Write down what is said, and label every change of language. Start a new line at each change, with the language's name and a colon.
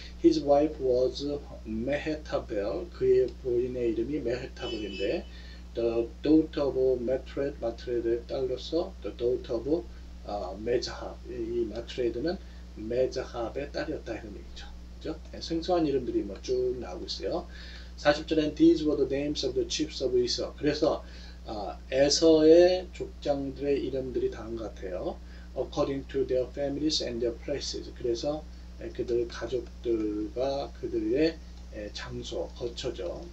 English: His wife was Mehetabel.
Korean: 그의 부인의 이름이 Mehetabel인데
English: the daughter of Matred, Matred의 딸로서 the daughter of Mezahab.
Korean: 이 Matred는 Mezahab의 딸이었다 이런 얘기죠. 그죠? 생소한 이름들이 뭐 쭉 나오고 있어요. 40절엔
English: these were the names of the chiefs of Esau.
Korean: 그래서 에서의 족장들의 이름들이 다음 같아요.
English: According to their families and their places.
Korean: 그래서 그들 가족들과 그들의 장소, 거처죠.